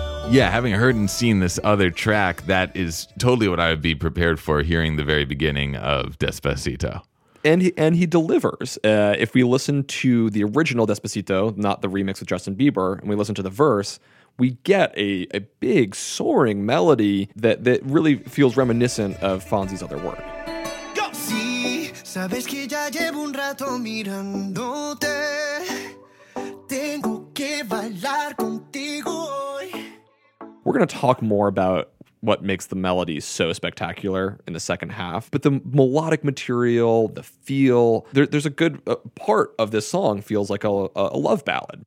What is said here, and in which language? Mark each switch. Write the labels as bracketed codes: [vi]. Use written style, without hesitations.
[en] Yeah, having heard and seen this other track, that is totally what I would be prepared for hearing the very beginning of Despacito. And he delivers. If we listen to the original Despacito, not the remix with Justin Bieber, and we listen to the verse, we get a big soaring melody that really feels reminiscent of Fonsi's other work. Go! [es] Si, sabes que ya llevo un rato mirándote. Tengo que bailar contigo. [en] We're going to talk more about what makes the melody so spectacular in the second half. But the melodic material, the feel, there's a good part of this song feels like a love ballad.